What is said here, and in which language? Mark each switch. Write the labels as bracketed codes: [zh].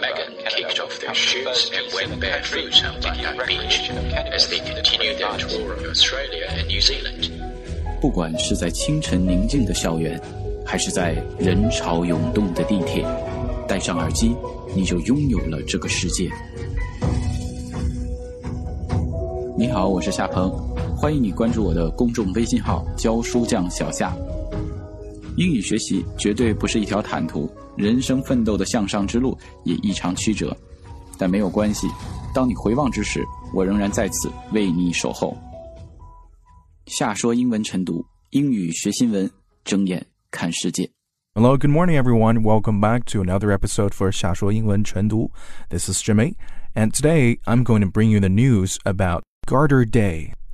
[en] Meghan kicked off their shoots and went barefoot on Bondi Beach as they continued their tour of Australia and New Zealand. [zh] 不管是在清晨宁静的校园，还是在人潮涌动的地铁，戴上耳机，你就拥有了这个世界。你好，我是夏鹏，欢迎你关注我的公众微信号教书匠小夏。英语学习绝对不是一条坦途，人生奋斗的向上之路也异常曲折，但没有关系，当你回望之时，我仍然在此为你守候。夏说英文晨读，英语学新闻，睁眼看世界。 [en] Hello, good morning everyone. Welcome back to another episode for 夏说英文晨读。 This is Jimmy, and today I'm going to bring you the news about Garter Day.